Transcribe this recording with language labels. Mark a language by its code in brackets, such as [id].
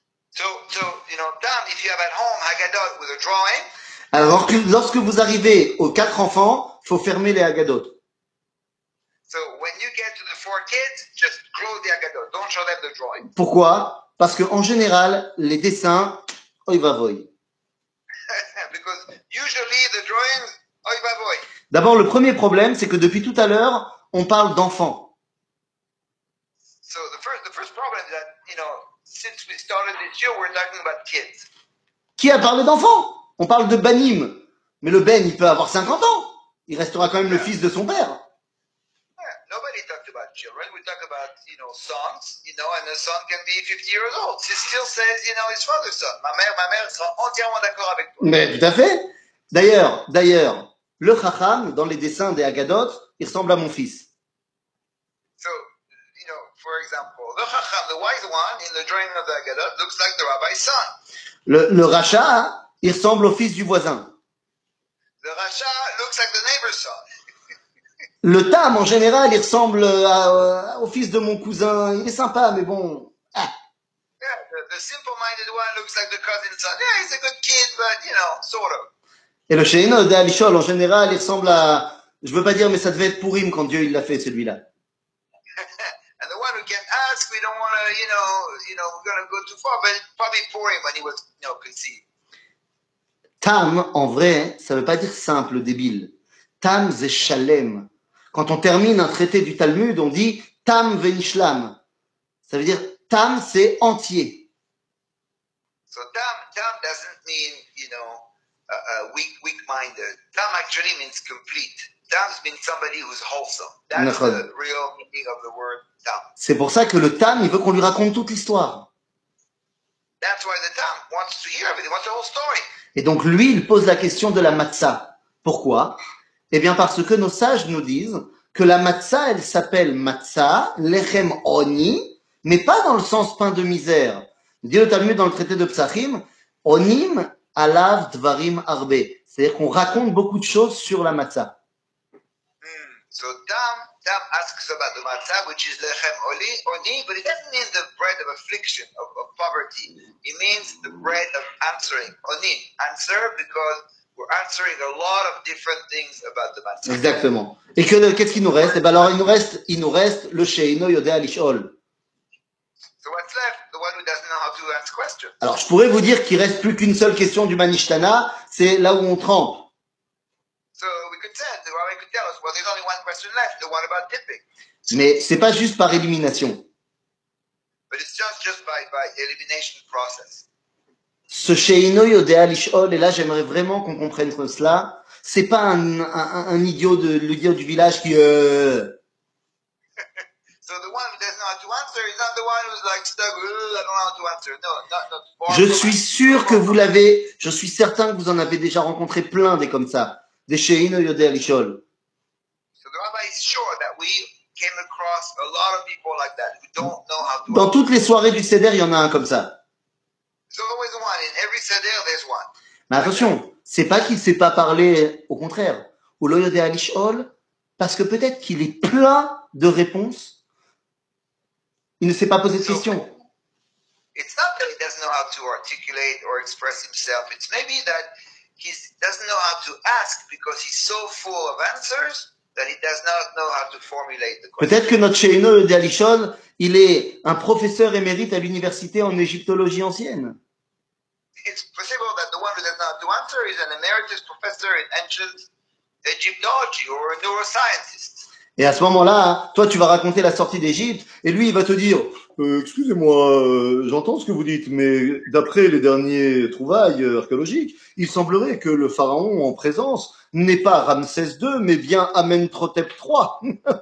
[en] So you know, Tam, if you have at home agadot with a drawing. [fr] Alors que lorsque vous arrivez aux quatre enfants, faut fermer les agadotes. [en] So when you get to the four kids, just close the agadot. Don't show them the drawing. [fr] Pourquoi? Parce que en général, les dessins, oy va voy. [en] Because usually the drawings, oy va voy. [fr] D'abord, le premier problème, c'est que depuis tout à l'heure, on parle d'enfants. [en] So the first problem is that, you know, since we started this year, we're talking about kids. [fr] Qui a parlé d'enfants? On parle de Banim. Mais le Ben, il peut avoir 50 ans. Il restera quand même le fils de son père. [en] Yeah, nobody talked about children. We talk about, you know, sons, you know, and a son can be 50 years old. He still says, you know, his father's son. [fr] Ma mère sera entièrement d'accord avec toi. Mais tout à fait. D'ailleurs, le Chacham, dans les dessins des Agadot, il ressemble à mon fils. [en] So, you know, for example, le Chacham, the wise one, in the drawing of the Agadot, looks like the rabbi's son. [fr] Le Racha, il ressemble au fils du voisin. [en] Le Racha looks like the neighbor's son. [fr] Le Tam, en général, il ressemble au fils de mon cousin. Il est sympa, mais bon. [en] Yeah, the simple-minded one looks like the cousin's son. Yeah, he's a good kid, but, you know, sort of. [fr] Et le Sheino de Alishol, en général, il ressemble à... Je ne veux pas dire, mais ça devait être Pourim quand Dieu il l'a fait, celui-là. [en] And the one who can ask, we don't want to, you know, we're going to go too far, but probably Pourim when he was, you know, conceived. [fr] Tam, en vrai, ça ne veut pas dire simple, débile. Tam, c'est Shalem. Quand on termine un traité du Talmud, on dit Tam Venishlam. Ça veut dire Tam, c'est entier. [en] So Tam doesn't mean, you know, weak-minded. Tam actually means complete. Tam means somebody who's wholesome. That's the real meaning of the word Tam. [fr] C'est pour ça que le Tam, il veut qu'on lui raconte toute l'histoire. [en] That's why the Tam wants to hear everything, wants the whole story. [fr] Et donc lui, il pose la question de la matzah. Pourquoi? Eh bien parce que nos sages nous disent que la matzah, elle s'appelle matzah, lechem oni, mais pas dans le sens pain de misère. Dit le Talmud dans le traité de Psachim, [he] onim alav dvarim arbe. [fr] C'est-à-dire qu'on raconte beaucoup de choses sur la matzah. [en] So Tam asks about the matzah, which is lechem oni, but it doesn't mean the bread of affliction, of poverty. It means the bread of answering. Oni, answer, because we're answering a lot of different things about the matzah. [fr] Exactement. Et qu'est-ce qu'il nous reste? Eh bien alors, il nous reste le Sheino Yodea Lishol. [en] So what's left? The one who doesn't know how to answer questions. [fr] Alors, je pourrais vous dire qu'il ne reste plus qu'une seule question du Manishtana, c'est là où on trempe. [en] So we could say, the rabbi could tell us, well, there's only one question left, the one about tipping. [fr] Mais ce n'est pas juste par élimination. [en] But it's just by elimination process. [fr] Ce Sheino Yodea Lishol, et là j'aimerais vraiment qu'on comprenne cela, c'est pas un idiot de l'idiot du village qui [en] So the one who doesn't know how to answer is not the one who's like stuck, I don't know how to answer. No, not [fr] Je suis sûr que vous l'avez, je suis certain que vous en avez déjà rencontré plein des comme ça, des Sheino Yodea Lishol. [en] So the rabbi is sure that we came across a lot of people like that who don't know how to answer. [fr] Dans toutes les soirées du Seder, il y en a un comme ça. [en] There's always one. In every seder, there's one. [fr] Mais attention, c'est pas qu'il sait pas parler, au contraire. Ou l'oyodé alishol, parce que peut-être qu'il est plein de réponses. Il ne sait pas poser de questions. [en] It's not that he doesn't know how to articulate or express himself. It's maybe that he doesn't know how to ask because he's so full of answers that he does not know how to formulate the question. [fr] Peut-être que notre Sheino de Alishol, il est un professeur émérite à l'université en égyptologie ancienne. [en] It's possible that the one who does not know how to answer is an emeritus professor in ancient Egyptology or a neuroscientist. [fr] Et à ce moment-là, toi, tu vas raconter la sortie d'Égypte et lui, il va te dire excusez-moi, j'entends ce que vous dites, mais d'après les derniers trouvailles archéologiques, il semblerait que le pharaon en présence n'est pas Ramsès II, mais bien Amenhotep III.